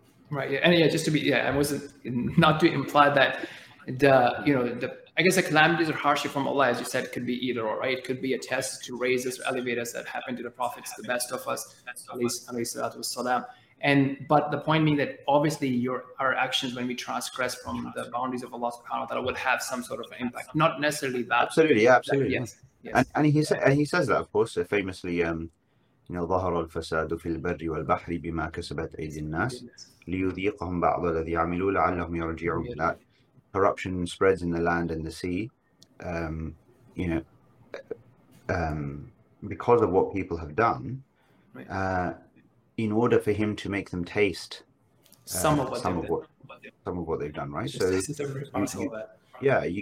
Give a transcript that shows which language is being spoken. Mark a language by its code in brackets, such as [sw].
[en] Right, yeah, and yeah, just to be, yeah, I wasn't, not to imply that the, you know, the, I guess the calamities or hardship from Allah, as you said, could be either or, right? It could be a test to raise us or elevate us, that happened to the prophets, the best of us, alayhi salatu wassalam. But the point being that obviously our actions, when we transgress from the boundaries of Allah subhanahu wa ta'ala, would have some sort of impact. Not necessarily that. Absolutely, yeah, absolutely. That, yes. And he says that, of course, famously, you know, [ar] ظهر الفساد في البر والبحر بما كسبت أيدي الناس ليذيقهم بعض الذي عملوا لعلهم يرجعون. [en] Corruption spreads in the land and the sea, you know, because of what people have done, in order for him to make them taste some of what they've done, right? So you